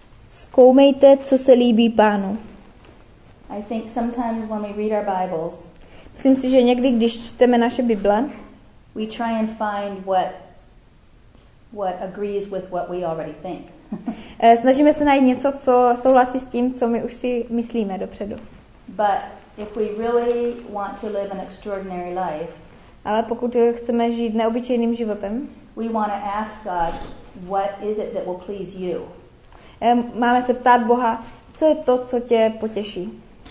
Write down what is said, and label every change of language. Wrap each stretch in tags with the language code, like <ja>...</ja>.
<cs>Zkoumejte, co se líbí Pánu.</cs> <en>I think sometimes when we read our Bibles,</en> <cs>myslím si, že někdy, když čteme naše Bible,</cs> <en>we try and find what agrees with what we already think.</en> <cs>Snažíme se najít něco, co souhlasí s tím, co my už si myslíme dopředu.</cs> <en>But if we really want to live an extraordinary life,</en> <cs>ale pokud chceme žít neobyčejným životem,</cs> <en>we want to ask God, what is it that will please you?</en> <cs>Máme se ptát Boha, co je to, co tě potěší.</cs>